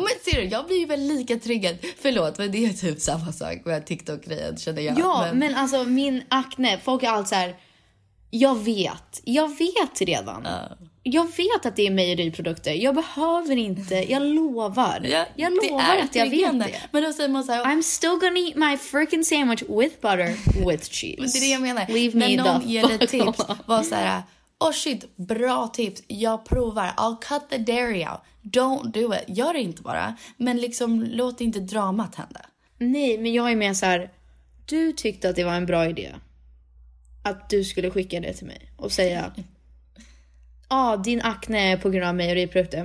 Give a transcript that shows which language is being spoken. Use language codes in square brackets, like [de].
[sv] Men ser du, jag blir ju väl lika triggad, förlåt, men det är typ samma sak med TikTok-grejen, känner jag. Ja, men alltså min akne, folk är allt så här, jag vet redan. Jag vet att det är mejeriprodukter. Jag behöver inte. Jag lovar. [en] Yeah, [sv] jag lovar att jag vet det. Men då säger man så här, [en] I'm still gonna eat my freaking sandwich with butter, with cheese. [sv] Men det är det jag menar. [en] Leave me the fuck. [sv] Men någon ger dig tips. Var så här, [en] oh shit, [sv] bra tips. Jag provar. [en] I'll cut the dairy out. Don't do it. [sv] Gör det inte bara. Men liksom, låt inte dramat hända. Nej, men jag är mer så här, du tyckte att det var en bra idé. Att du skulle skicka det till mig. Och säga, ja, din akne är på grund av mejeriprodukter.